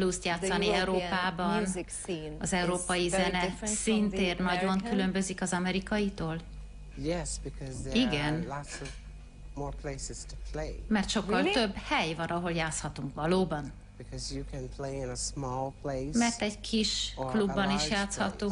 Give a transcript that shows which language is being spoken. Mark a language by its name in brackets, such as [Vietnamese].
[Hungarian] Blues-t játszani Európában, az európai zene szintén nagyon különbözik az amerikaitól? [English] Yes, because there [Hungarian] igen, [English] are lots of more places to play. [Hungarian] Mert sokkal really? Több hely van, ahol játszhatunk valóban. [English] Because you can play in a small place, [Hungarian] mert egy kis klubban is játszhatunk,